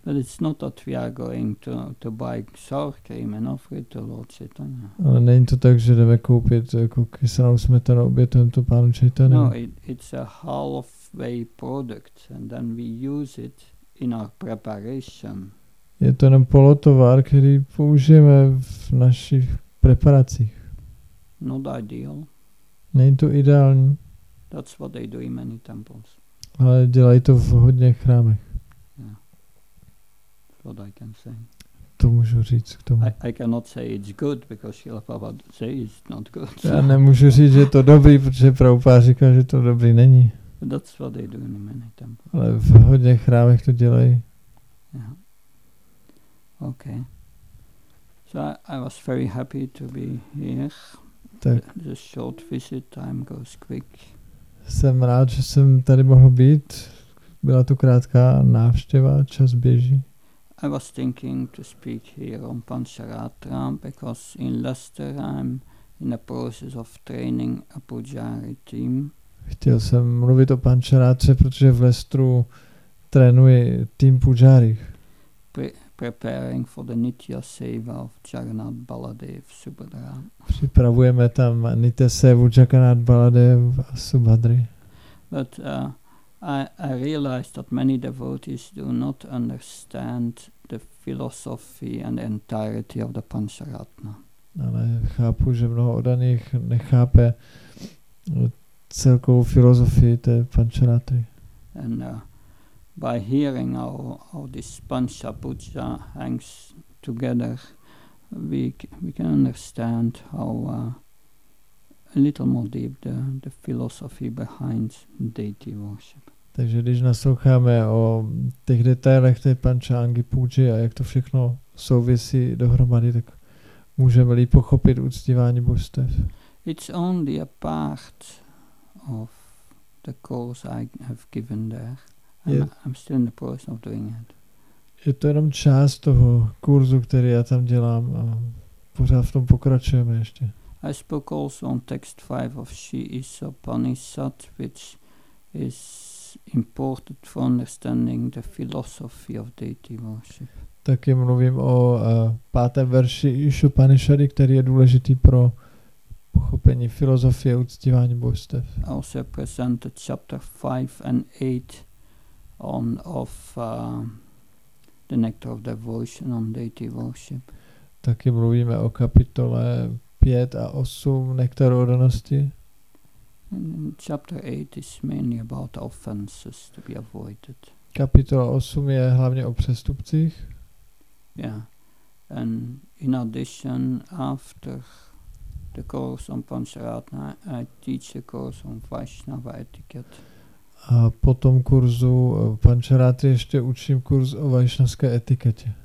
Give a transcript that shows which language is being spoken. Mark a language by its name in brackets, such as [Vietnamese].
[English] But it's not that we are going to buy sour cream and offer it to Lord Chaitanya. [Czech] Ale není to tak, že jdeme koupit jako kyselou smetanu a obětujeme to Pánu Chaitanya. [English] No, it's a halfway product and then we use it in our preparation. [Czech] Je to jenom polotovar, který použijeme v našich preparacích. [English] Not ideal. [Czech] Není to ideální. [English] That's what they do in many temples. [Czech] Ale dělají to v hodně chrámech. [English] Yeah. What I can say. [Czech] To můžu říct k tomu. [English] I cannot say it's good because Srila Prabhupada says it's not good. [Czech] Já nemůžu říct, že je to dobrý, protože Prabhupada říká, že to dobrý není. [English] That's what they do in many temples. [Czech] Ale v hodně chrámech to dělají. [English] Yeah. Okay. So I was very happy to be here. [Czech] Tak. [English] The short visit time goes quick. [Czech] Jsem rád, že jsem tady mohl být. Byla tu krátká návštěva, čas běží. [English] I was thinking to speak here on Pancharatra because in Leicester I'm in the process of training a pujari team. [Czech] Chtěl jsem mluvit o Pancharatře, protože v Leicesteru trénuji tým pujarích. [English] Preparing for the Nitya Seva of Jagannath Baladev Subhadra. [Czech] Připravujeme tam Nitya Sevu Jagannath Baladev a Subhadry. [English] But I realized that many devotees do not understand the philosophy and entirety of the Pancharatna. [Czech] Ale chápu, že mnoho odaných nechápe celkovou filozofii té Pancharatry. [English] And by hearing how this Panchabhuja hangs together, we can understand how a little more deep the philosophy behind deity worship. [Czech] Takže když nasloucháme o těch detailech té Panchangi Puji a jak to všechno souvisí dohromady, tak můžeme líp pochopit uctívání božstev. [English] It's only a part of the course I have given there. I'm still in the process of doing it. [Czech] Je to jenom část toho kurzu, který já tam dělám a pořád v tom pokračujeme ještě. [English] I spoke also on text 5 of Shri Isa Upanishad, which is important for understanding the philosophy of deity worship. [Czech] Taky mluvím o pátém verši Isa Upanishady, který je důležitý pro pochopení filozofie uctívání božstev. [English] I also presented chapter 5 and 8 on of the nectar of devotion on deity worship. [Czech] Taky mluvíme o kapitole 5 a 8 nektar odanosti. [English] Chapter 8 is mainly about offenses to be avoided. [Czech] Kapitola 8 je hlavně o přestupcích. [English] Yeah. And in addition, after the course on Pancharatna, I teach a course on Vaishnava etiquette. [Czech] A po tom kurzu Pancharatry ještě učím kurz o vaishnavské etiketě.